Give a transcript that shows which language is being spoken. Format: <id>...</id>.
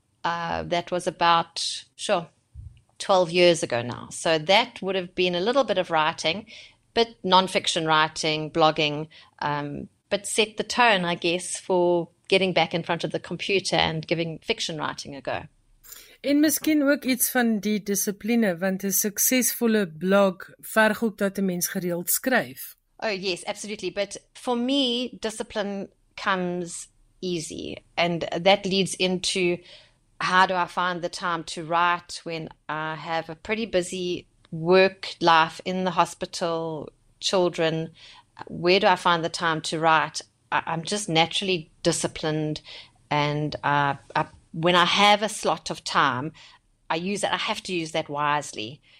<en>That was about, 12 years ago now. So that would have been a little bit of writing, but nonfiction writing, blogging, but set the tone, I guess, for getting back in front of the computer and giving fiction writing a go.</en> <af>En miskien ook iets van die dissipline, want 'n suksesvolle blog verg ook dat 'n mens gereeld skryf.</af> <en>Oh yes, absolutely. But for me, discipline comes easy. And that leads into how do I find the time to write when I have a pretty busy work life in the hospital, children? Where do I find the time to write? I'm just naturally disciplined, and when I have a slot of time, I use it. I have to use that wisely.</en>